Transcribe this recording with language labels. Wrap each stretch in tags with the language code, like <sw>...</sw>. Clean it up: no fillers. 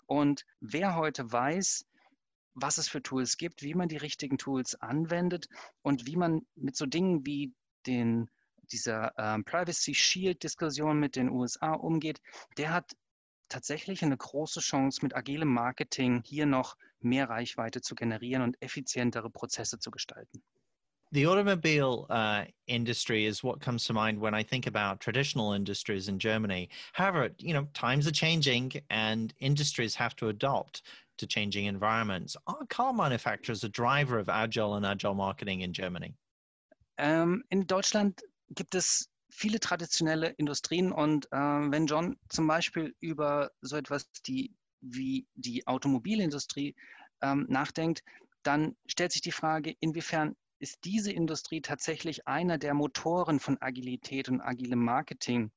<de>Und wer heute weiß, was es für Tools gibt, wie man die richtigen Tools anwendet und wie man mit so Dingen wie dieser Privacy Shield Diskussion mit den USA umgeht, der hat tatsächlich eine große Chance, mit agilem Marketing hier noch mehr Reichweite zu generieren und effizientere Prozesse zu gestalten.</de> <en>The automobile industry is what comes to mind when I think about traditional industries in Germany. However, you know, times are changing and industries have to adapt to changing environments. Are car manufacturers a driver of agile and agile marketing in Germany?</en> <de>In Deutschland gibt es viele traditionelle Industrien und wenn John zum Beispiel über so etwas wie die Automobilindustrie nachdenkt, dann stellt sich die Frage, inwiefern ist diese Industrie tatsächlich einer der Motoren von Agilität und agilem Marketing?</de>